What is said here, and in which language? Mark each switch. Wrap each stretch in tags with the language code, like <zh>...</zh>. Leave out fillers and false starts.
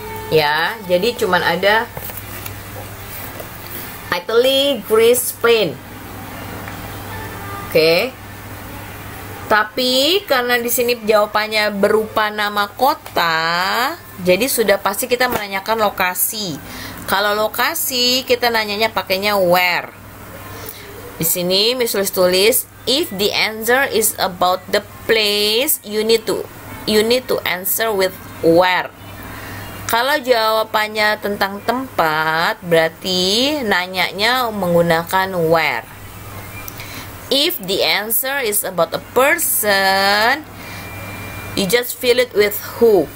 <id>Ya, jadi cuman ada Italy, Greece, Spain. Oke. Tapi karena di sini jawabannya berupa nama kota, jadi sudah pasti kita menanyakan lokasi. Kalau lokasi kita nanyanya pakainya where. Di sini Miss Lulis tulis,</id> <en>if the answer is about the place, you need to answer with where.</en> <id>Kalau jawabannya tentang tempat, berarti nanyanya menggunakan where.</id> <en>If the answer is about a person, you just fill it with who.</en>